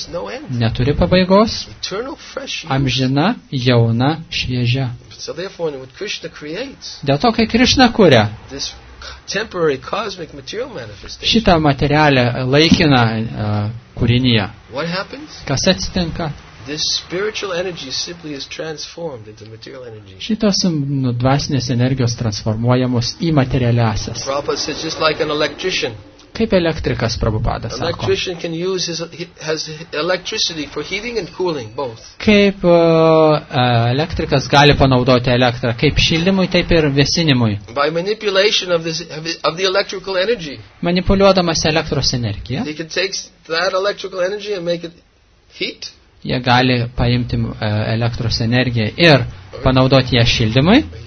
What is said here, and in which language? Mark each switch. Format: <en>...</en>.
<en>Has no end.</en> <lt>Neturi pabaigos.</lt> <en>Eternal, fresh,</en> <lt>amžina, jauna, šviežia.</lt> <en>So therefore, what Krishna creates.</en> <lt>Dėl to, kai Krishna kuria.</lt> <en>This temporary cosmic material manifestation.</en> <lt>Šitą materialią laikiną kūrinyje.</lt> <en>What happens?</en> <lt>Kas atsitinka?</lt> <en>This spiritual energy simply is transformed into material energy.</en> <lt>Šitos dvasinės energijos transformuojamos į materialiąsias.</lt> <en>Prabhupada says just like an electrician.</en> <lt>Kaip elektrikas, Prabhupada sako.</lt> <en>Electrician can use his has electricity for heating and cooling both.</en> <lt>Kaip elektrikas gali panaudoti elektrą kaip šildymui, taip ir vėsinimui.</lt> <en>By manipulation of this of the electrical energy.</en> <lt>Manipuliuodamas elektros energija.</lt> <en>He can take that electrical energy and make it heat.</en> <lt>Jie gali paimti elektros energiją ir panaudoti ją šildymui.</lt>